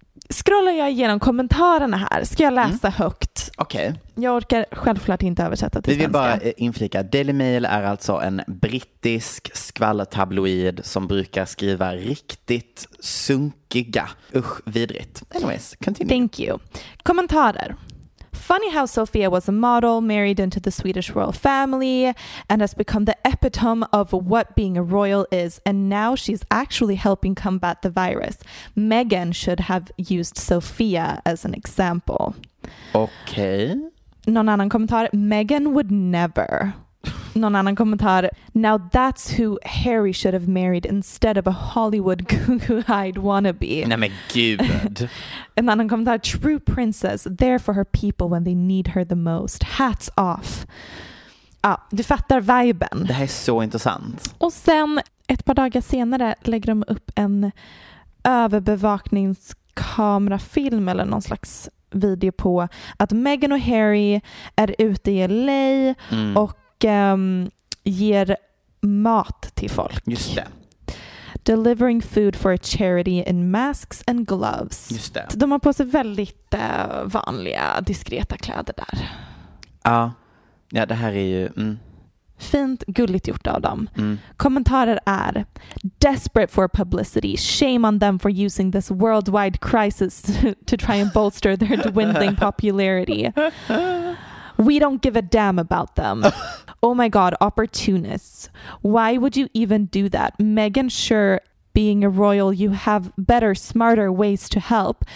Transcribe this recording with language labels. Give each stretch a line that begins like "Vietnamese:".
Swedish: Scrollar jag igenom kommentarerna här, ska jag läsa högt? Okej.
English: Okay.
Swedish: Jag orkar självklart inte översätta till svenska. Vi vill bara inflika. Daily Mail är alltså en brittisk skvallertabloid som brukar skriva riktigt sunkiga. Usch, vidrigt.
English: Anyways, continue. Thank you.
Swedish: Kommentarer.
English: Funny how Sofia was a model, married into the Swedish royal family, and has become the epitome of what being a royal is, and now she's actually helping combat the virus. Meghan should have used Sofia as an example. Okay.
Swedish: Någon annan kommentar?
English: Meghan would never.
Swedish: Någon annan kommentar?
English: Now that's who Harry should have married instead of a Hollywood Gugu-eyed wannabe.
Swedish: Nej men gud. En annan kommentar?
English: True princess, there for her people when they need her the most. Hats off.
Swedish: Ja, du fattar viben. Det här är så intressant. Och sen ett par dagar senare lägger de upp en överbevakningskamerafilm eller någon slags video på att Meghan och Harry är ute i LA och ger mat till folk. Just det.
English: Delivering food for a charity in masks and gloves.
Swedish: Just det. De har på sig väldigt vanliga, diskreta kläder där. Ja, ja det här är ju... Fint, gulligt gjort av dem. Kommentarer är
English: desperate for publicity. Shame on them for using this worldwide crisis to try and bolster their dwindling popularity. We don't give a damn about them. Oh my god, opportunists. Why would you even do that? Meghan, sure, being a royal, you have better, smarter ways to help.